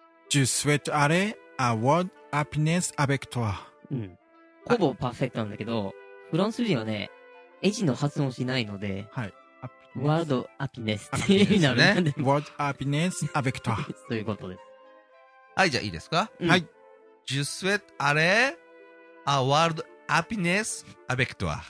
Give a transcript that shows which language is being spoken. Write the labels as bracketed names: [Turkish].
[French] Je souhaite aller, a world happiness avec toi。 [Japanese] うん、ほぼパーフェクトなんだけど、フランス人はね、エジの発音しないので、はい、ワールドアピネスっていう意味なのね。ワールドアピネスアベクトア。そういうことです。はい、じゃあいいですか、うん、はい。 [French] Je souhaite aller à World Happiness avec toi。